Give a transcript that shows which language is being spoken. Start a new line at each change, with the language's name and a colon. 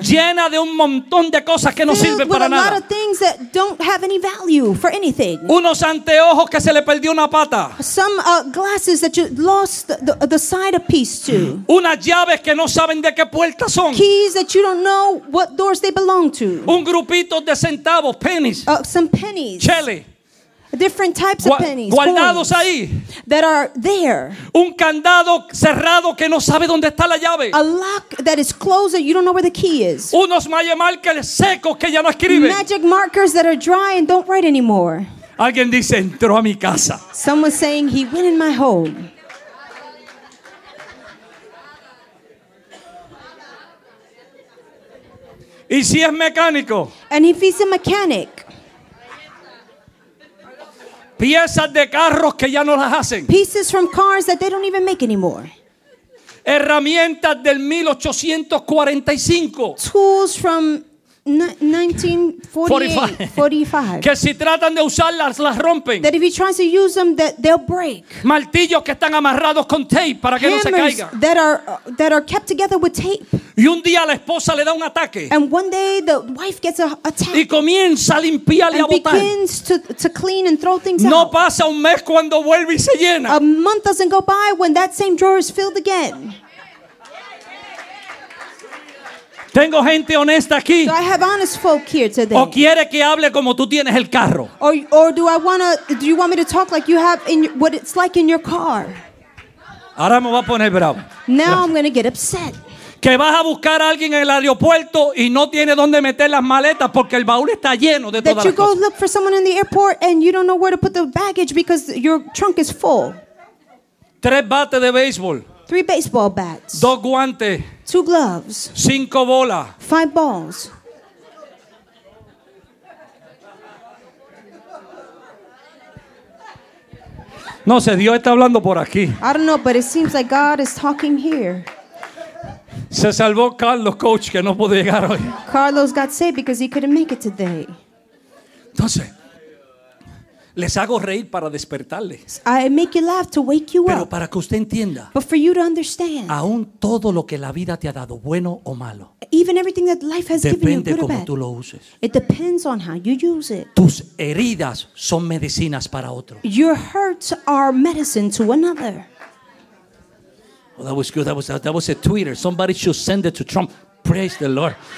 Spanish: Llena de un montón de cosas que no sirven para nada.
English: With a lot of things that don't have any value for anything.
Spanish: Unos anteojos que se le perdió una pata.
English: Some glasses that you lost the side a piece to.
Spanish: Unas llaves que no saben de qué puertas son.
English: Keys that you don't know what doors they belong to.
Spanish: Un grupito de centavos, pennies.
English: Some pennies.
Spanish: Chele.
English: Different types of pennies.
Spanish: Guardados ahí.
English: That are there.
Spanish: Un candado cerrado que no sabe dónde está la llave.
English: A lock that is closed that you don't know where the key is.
Spanish: Unos magic markers secos que ya no escriben.
English: Magic markers that are dry and don't write anymore.
Spanish: Alguien dice, entró a mi casa.
English: Someone saying he went in my home.
Spanish: Y si es mecánico.
English: And if he's a mechanic.
Spanish: Piezas de carros que ya no las hacen.
English: Pieces from cars that they don't even make anymore.
Spanish: Herramientas del 1845.
English: Tools from 1945.
Spanish: Que si tratan de usarlas las rompen.
English: That if he tries to use them that they'll break.
Spanish: Martillos que están amarrados con tape para que
English: hammers
Spanish: no se caigan.
English: That are kept together with tape.
Spanish: Y un día la esposa le da un ataque.
English: And one day the wife gets a attack.
Spanish: Y comienza a limpiar y a botar.
English: And begins to clean and throw things out.
Spanish: No pasa un mes cuando vuelve y se llena.
English: A month doesn't go by when that same drawer is filled again.
Spanish: Tengo gente honesta aquí.
English: So I have honest folk here today.
Spanish: O quiere que hable como tú tienes el carro.
English: Or do I wanna? Do you want me to talk like you have in what it's like in your car?
Spanish: Ahora me va a poner bravo.
English: Now I'm gonna get upset.
Spanish: Que vas a buscar a alguien en el aeropuerto y no tiene dónde meter las maletas porque el baúl está lleno de todas las cosas.
English: That you go look for someone in the airport and you don't know where to put the baggage because your trunk is full.
Spanish: Tres bates de béisbol.
English: Three baseball bats.
Spanish: Dos guantes.
English: Two gloves.
Spanish: Cinco bolas.
English: Five balls.
Spanish: No sé, Dios está hablando por aquí.
English: I don't know, but it seems like God is talking here.
Spanish: Se salvó Carlos, coach, que no pudo llegar hoy.
English: Carlos got saved because he couldn't make it today.
Spanish: Entonces, les hago reír para despertarles.
English: I make you laugh to wake you
Spanish: pero Pero para que usted entienda.
English: But for you to understand.
Spanish: Aún todo lo que la vida te ha dado, bueno o malo.
English: Even everything that life has given you, good or bad.
Spanish: Depende cómo tú lo uses.
English: It depends on how you use it.
Spanish: Tus heridas son medicinas para otro.
English: Your hurts are medicine to another. Well, that was good. That was a tweeter. Somebody should send it to Trump. Praise the Lord.